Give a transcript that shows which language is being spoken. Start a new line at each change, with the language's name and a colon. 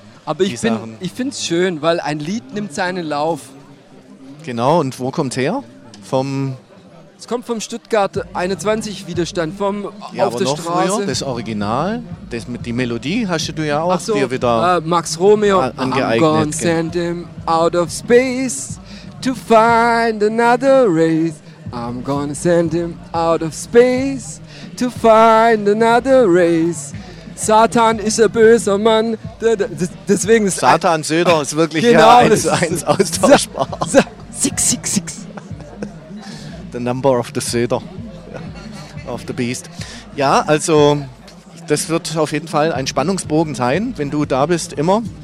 German: Aber ich finde es schön, weil ein Lied nimmt seinen Lauf. Genau, und wo kommt her? Vom? Es kommt vom Stuttgart 21 Widerstand, vom ja, auf der noch Straße. Früher, das Original, das mit die Melodie hast du ja auch so, dir wieder Max Romeo angeeignet.
English: I'm gonna send him out of space to find another race. I'm gonna send him out of space to find another race.
German: Satan ist ein böser Mann. Deswegen ist Satan Söder ist wirklich genau, ja, eins austauschbar.
English: Six, six, six. The number of the Söder. Of the beast.
German: Ja, also das wird auf jeden Fall ein Spannungsbogen sein, wenn du da bist, immer.